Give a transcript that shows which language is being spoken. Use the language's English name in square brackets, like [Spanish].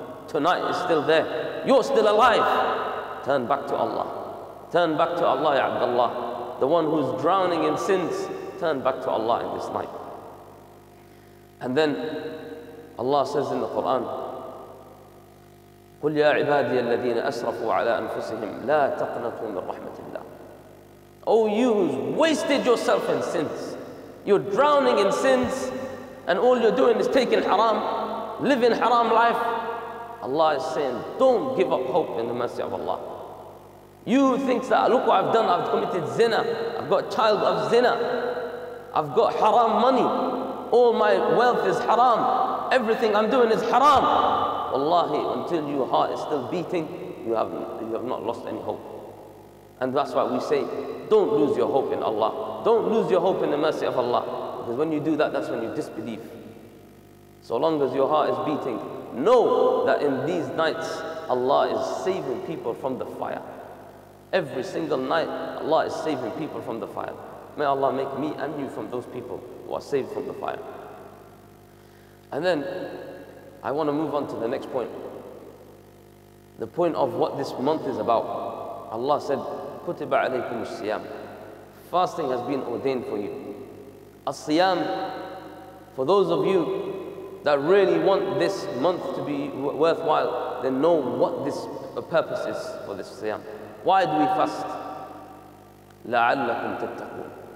[English] Tonight is still there. You're still alive. Turn back to Allah. Turn back to Allah, Ya Abdullah. The one who's drowning in sins, turn back to Allah in this night. And then Allah says in the Quran, [Arabic] قل يا عبادي الذين أسرفوا على أنفسهم لا تقنطوا من رحمة الله. [English] Oh, you've wasted yourself in sins. You're drowning in sins, and all you're doing is taking haram, living haram life. Allah is saying, don't give up hope in the mercy of Allah. You think that, look what I've done, I've committed zina, I've got a child of zina, I've got haram money, all my wealth is haram, everything I'm doing is haram. Wallahi, until your heart is still beating, you have not lost any hope. And that's why we say, don't lose your hope in Allah. Don't lose your hope in the mercy of Allah. Because when you do that, that's when you disbelieve. So long as your heart is beating, know that in these nights, Allah is saving people from the fire. Every single night, Allah is saving people from the fire. May Allah make me and you from those people who are saved from the fire. And then, I want to move on to the next point. The point of what this month is about. Allah said, [Arabic] كُتِبَ عَلَيْكُمُ السِّيَامِ. [English] Fasting has been ordained for you. As-siyam, for those of you that really want this month to be worthwhile, then know what this purpose is for this siyam. Why do we fast? [Arabic] لَعَلَّكُمْ تَتَّقُونَ.